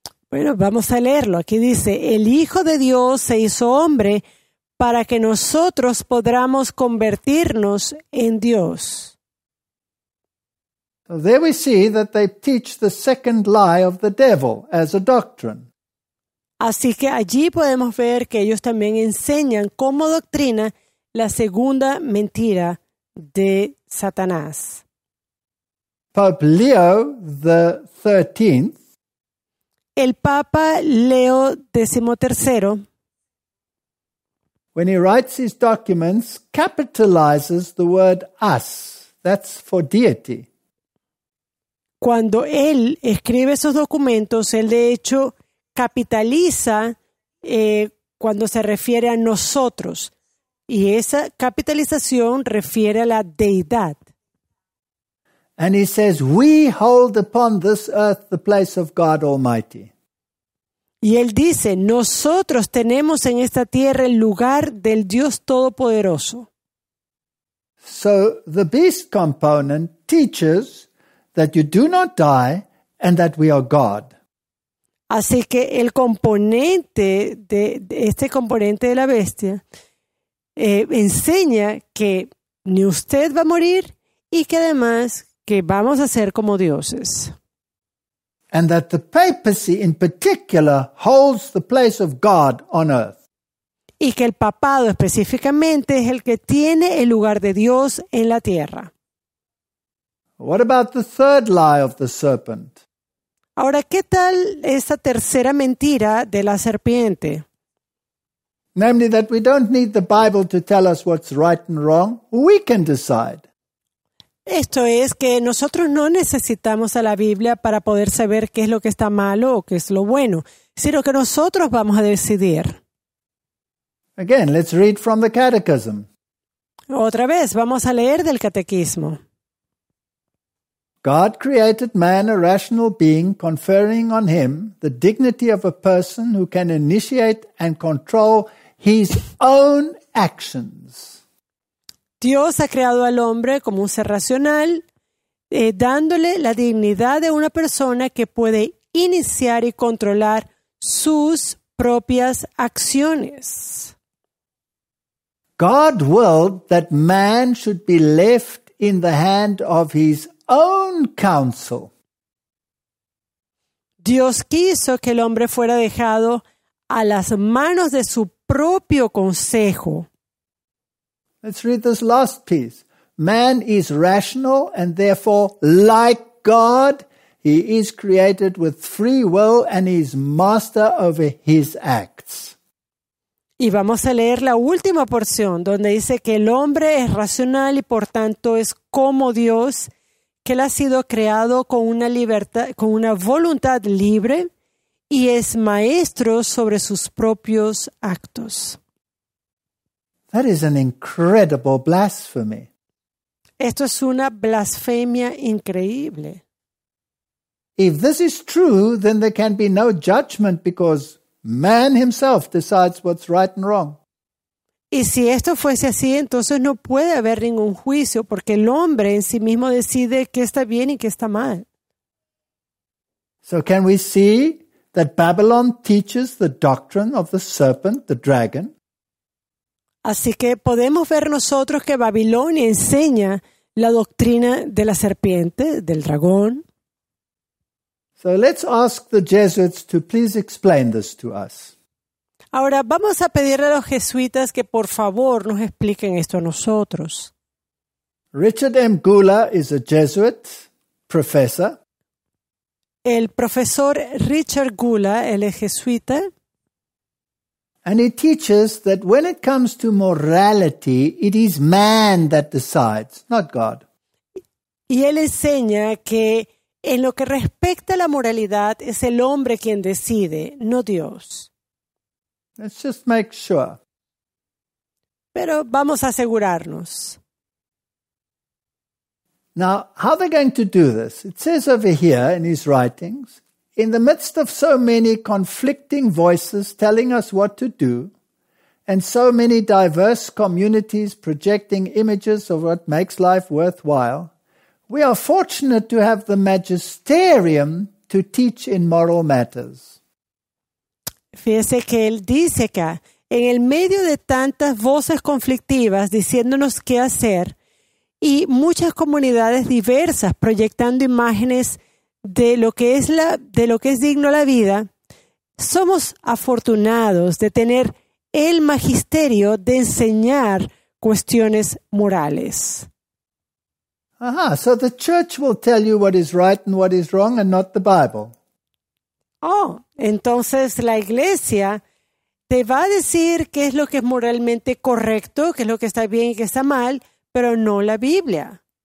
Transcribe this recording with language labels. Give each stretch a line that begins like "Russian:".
Spanish: Bueno, vamos a leerlo. Aquí dice, el Hijo de Dios se hizo hombre para que nosotros podamos convertirnos en Dios.
English: So there we see that they teach the second lie of the devil as a doctrine.
Spanish: Así que allí podemos ver que ellos también enseñan como doctrina la segunda mentira de Satanás.
English: Pope Leo the 13th.
Spanish: El Papa Leo XIII.
English: When he writes his documents, capitalizes the word us. That's for deity.
Spanish: Cuando él escribe esos documentos, él de hecho capitaliza cuando se refiere a nosotros. Y esa capitalización refiere a la deidad.
English: And he says, we hold upon this earth the place of God Almighty.
Spanish: Y él dice, nosotros tenemos en esta tierra el lugar del Dios Todopoderoso.
English: So the beast component teaches that you do not die and that we are God.
Spanish: Así que el componente de este componente de la bestia enseña que ni usted va a morir y que además que vamos a ser como dioses.
English: And that the papacy in particular holds the place of God on earth.
Spanish: Y que el papado específicamente es el que tiene el lugar de Dios en la tierra.
English: What about the third lie of the serpent?
Spanish: Ahora, ¿qué tal esta tercera mentira de la serpiente?
English: Namely, that we don't need the Bible to tell us what's right and wrong. We can decide.
Spanish: Esto es que nosotros no necesitamos a la Biblia para poder saber qué es lo que está malo o qué es lo bueno, sino que nosotros vamos a decidir.
English: Again, let's read from the catechism.
Spanish: Otra vez, vamos a leer del catecismo.
English: God created man a rational being, conferring on him the dignity of a person who can initiate and control his own actions.
Spanish: Dios ha creado al hombre como un ser racional, dándole la dignidad de una persona que puede iniciar y controlar sus propias acciones.
English: God willed that man should be left in the hand of his own counsel.
Spanish: Dios quiso que el hombre fuera dejado a las manos de su propio consejo.
English: Let's read this last piece. Man is rational and therefore, like God, he is created with free will and is master over his acts.
Spanish: Y vamos a leer la última porción donde dice que el hombre es racional y por tanto es como Dios, que él ha sido creado con una libertad, con una voluntad libre y es maestro sobre sus propios actos.
English: That is an incredible blasphemy.
Spanish: Esto es una blasfemia increíble.
English: If this is true, then there can be no judgment because man himself decides what's right and wrong.
Spanish: Y si esto fuese así, entonces no puede haber ningún juicio porque el hombre en sí mismo decide qué está bien y qué está mal.
English: So can we see that Babylon teaches the doctrine of the serpent, the dragon?
Spanish: Así que podemos ver nosotros que Babilonia enseña la doctrina de la serpiente, del dragón.
English: So let's ask the Jesuits to please explain this to us.
Spanish: Ahora vamos a pedirle a los jesuitas que por favor nos expliquen esto a nosotros.
English: Richard M. Gula is a Jesuit professor.
Spanish: El profesor Richard Gula, él es jesuita.
English: And he teaches that when it comes to morality, it is man that decides, not God.
Spanish: Y él enseña que en lo que respecta a la moralidad es el hombre quien decide, no Dios.
English: Let's just make sure.
Spanish: Pero vamos a asegurarnos.
English: Now, how they're going to do this? It says over here in his writings, in the midst of so many conflicting voices telling us what to do, and so many diverse communities projecting images of what makes life worthwhile, we are fortunate to have the magisterium to teach in moral matters.
Spanish: Fíjese que él dice acá, en el medio de tantas voces conflictivas diciéndonos qué hacer y muchas comunidades diversas proyectando imágenes de lo que es la, de lo que es digno la vida, somos afortunados de tener el magisterio de enseñar cuestiones morales.
English: Ajá, so the church will tell you what is right and what is wrong and not the Bible.
Spanish: Oh, entonces la iglesia te va a decir qué es lo que es moralmente correcto, qué es lo que está bien y qué está mal, pero no la Biblia.